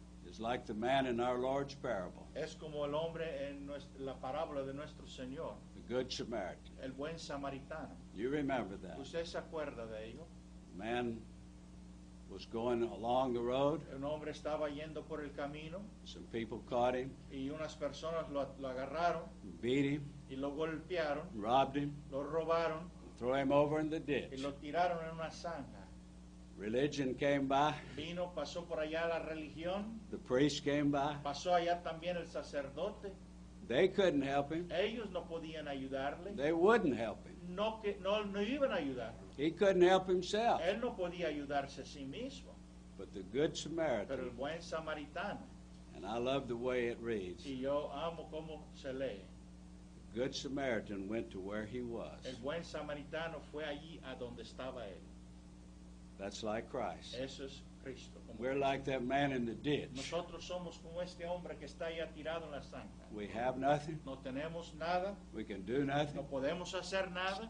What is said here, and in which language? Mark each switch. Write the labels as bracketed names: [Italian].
[English] Is like the man in our Lord's parable. [Spanish] Es como el hombre en la parábola de nuestro Señor. [English] The good Samaritan. [Spanish] El buen samaritano. [English] You remember that. [Spanish] ¿Usted se acuerda de ello? [English] The man was going along the road. [Spanish] Un hombre estaba yendo por el camino. [English] Some people caught him. [Spanish] Y unas personas lo agarraron. [English] Beat him. [Spanish] Y lo golpearon. [English] Robbed him. [Spanish] Lo robaron. [English] Threw him over in the ditch. [Spanish] Y lo tiraron en una zanja. [English] Religion came by. [Spanish] Vino, pasó por allá la religión. [English] The priest came by. [Spanish] Pasó allá también el sacerdote. [English] They couldn't help him. [Spanish] Ellos no podían ayudarle. [English] They wouldn't help him. [Spanish] No iban a ayudar. [English] He couldn't help himself. [Spanish] Él no podía ayudarse a sí mismo. [English] But the good Samaritan. [Spanish] Pero el buen samaritano. [English] And I love the way it reads. [Spanish] Y yo amo cómo se lee. [English] The good Samaritan went to where he was. [Spanish] El buen samaritano fue allí a donde estaba él. [English] That's like Christ. [Spanish] Eso es Cristo, como [English] we're [Spanish] Cristo. [English] Like that man in the ditch. [Spanish] Nosotros somos como este hombre que está ya tirado en la zanja. [English] We have nothing. [Spanish] No tenemos nada. [English] We can do nothing. [Spanish] No podemos hacer nada.